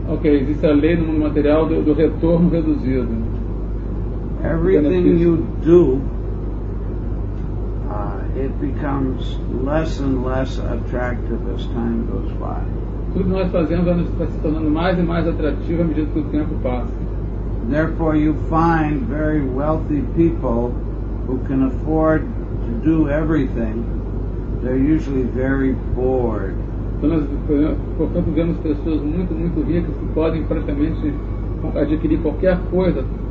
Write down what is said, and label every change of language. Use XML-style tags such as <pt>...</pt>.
<pt>Okay, existe a lei no mundo material do retorno reduzido.</pt> <en>Everything you do, it becomes less and less attractive as time goes by.</en> <pt>Tudo que nós fazemos vai se tornando mais e mais atrativo à medida que o tempo passa.</pt> <en>Therefore, you find very wealthy people who can afford to do everything. They're usually very bored.</en> <pt>Então, nós, portanto, vemos pessoas muito, muito ricas que podem praticamente adquirir qualquer coisa.</pt>